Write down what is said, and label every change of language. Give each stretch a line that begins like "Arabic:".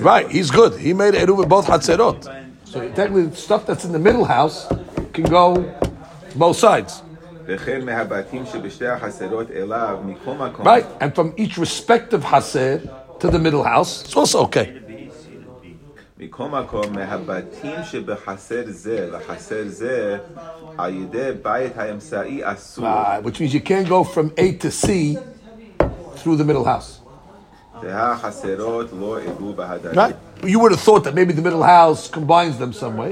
English: Right, he's good. He made eruv with both chaserot. So technically, the stuff that's in the middle house can go both sides.
Hebrew: Vechel mehabatim shebishtei achaserot elav mikol makom.
English: Right, and from each respective haser to the middle house, it's also okay.
Hebrew: מכל מקום, מהבתים שבחסר זה, לחסר זה, על ידי בית האמצעי אסור.
English: Which means you can't go from A to C through the middle house. Right. You would have thought that maybe the middle house combines them some way.